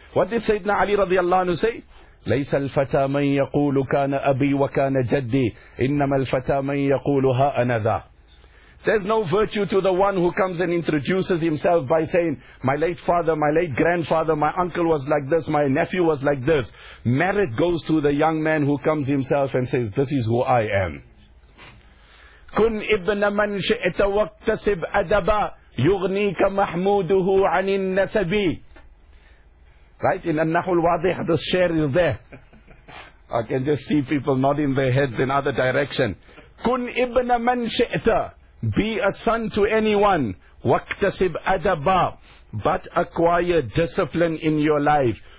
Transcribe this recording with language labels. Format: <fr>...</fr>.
<en>What did Sayyidina Ali radiallahu anhu say?</en> <ar>لَيْسَ الْفَتَى مَنْ يَقُولُ كَانَ أَبِي وَكَانَ جَدِّي إِنَّمَا الْفَتَى مَنْ يَقُولُ هَا أَنَذَا</ar> <en>There's no virtue to the one who comes and introduces himself by saying, my late father, my late grandfather, my uncle was like this, my nephew was like this. Merit goes to the young man who comes himself and says, this is who I am.</en> <ar>كُنْ إِبْنَ مَنْ شِئْتَ وَاكْتَسِبْ أَدَبًا يُغْنِيكَ مَحْمُودُهُ عَنِ النَّسَبِ Right?</ar> <en>In النَّحُ الْوَاضِحِ This share is there. I can just see people nodding their heads in other direction.</en> <ar>كُنْ إِبْنَ مَنْ شِئْتَ</ar> <en>Be a son to anyone.</en> <ar>وَاكْتَسِبْ أَدَبًا</ar> <en>But acquire discipline in your life.</en>